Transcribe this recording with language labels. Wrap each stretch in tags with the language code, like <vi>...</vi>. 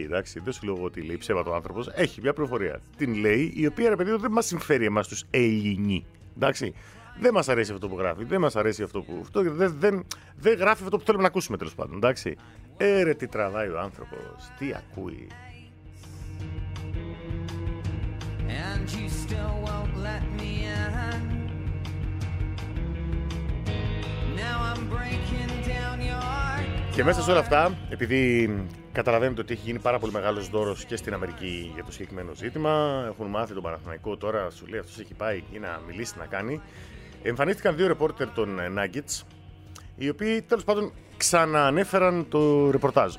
<el>Εντάξει, δεν σου λέω ότι λέει ψέμα το άνθρωπος. Έχει μια πληροφορία. Την λέει, η οποία, ρε παιδί μου, δεν μας συμφέρει εμάς τους Ελληνοί. Εντάξει. Δεν μας αρέσει αυτό που γράφει. Δεν μας αρέσει αυτό που. Δεν γράφει αυτό που θέλουμε να ακούσουμε, τέλος πάντων. Εντάξει. Ρε τι τραβάει ο άνθρωπος. Τι ακούει.</el> <en>And you still won't let me in. Now I'm breaking down your...</en> <el>Και μέσα σε όλα αυτά, επειδή καταλαβαίνετε ότι έχει γίνει πάρα πολύ μεγάλος δώρος και στην Αμερική για το συγκεκριμένο ζήτημα, έχουν μάθει τον Παναθηναϊκό, τώρα σου λέει αυτός έχει πάει ή να μιλήσει να κάνει, εμφανίστηκαν δύο ρεπόρτερ των Nuggets, οι οποίοι τέλος πάντων ξαναανέφεραν το ρεπορτάζ.</el>